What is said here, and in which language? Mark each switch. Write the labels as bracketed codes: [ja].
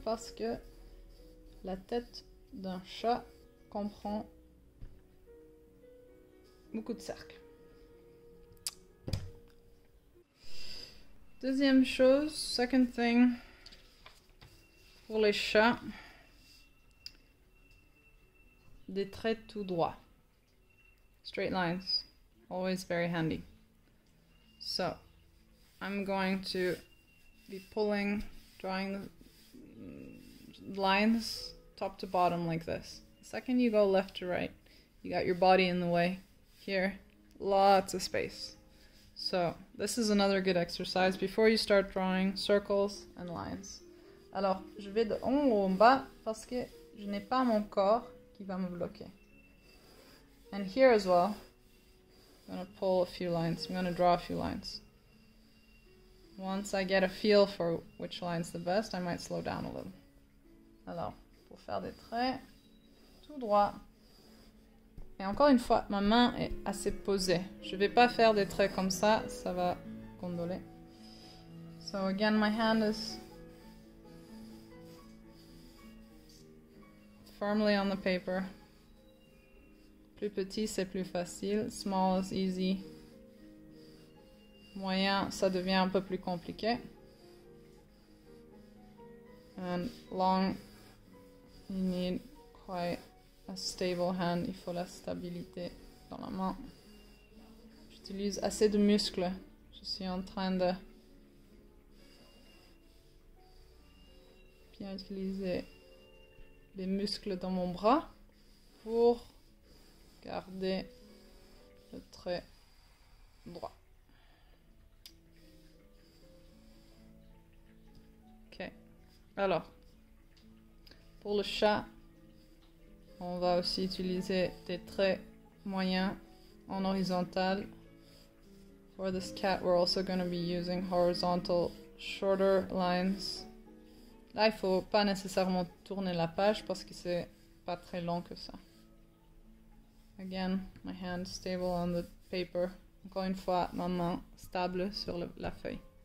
[fr] Parce que la tête d'un chat comprend beaucoup de cercles. Deuxième chose, [en] second thing, [fr] pour les chats, des traits tout droits. [en] Straight lines, always very handy. So, I'm going to be pulling, drawing the lines top to bottom like this. The second you go left to right, you got your body in the way. Here, lots of space. So, this is another good exercise before you start drawing circles and lines. [fr] Alors, je vais de haut en bas parce que je n'ai pas mon corps qui va me bloquer. [en] And here as well, I'm going to pull a few lines. I'm going to draw a few lines. Once I get a feel for which line's the best, I might slow down a little. [fr] Alors, pour faire des traits, tout droit. Et encore une fois, ma main est assez posée. Je ne vais pas faire des traits comme ça, ça va gondoler. [en] So again, my hand is firmly on the paper. [fr] Plus petit, c'est plus facile. [en] Small is easy. [fr] Moyen, ça devient un peu plus compliqué. [en] And long, you need quite a stable hand, [fr] il faut la stabilité dans la main. J'utilise assez de muscles. Je suis en train de bien utiliser les muscles dans mon bras pour garder le trait droit. Ok, alors pour le chat. On va aussi utiliser des traits moyens en horizontal. [en] For this cat, we're also going to be using horizontal, shorter lines. [fr] Là, il faut pas nécessairement tourner la page parce que c'est pas très long que ça. [en] Again, my hand stable on the paper. [fr] Encore une fois, ma main stable sur la feuille.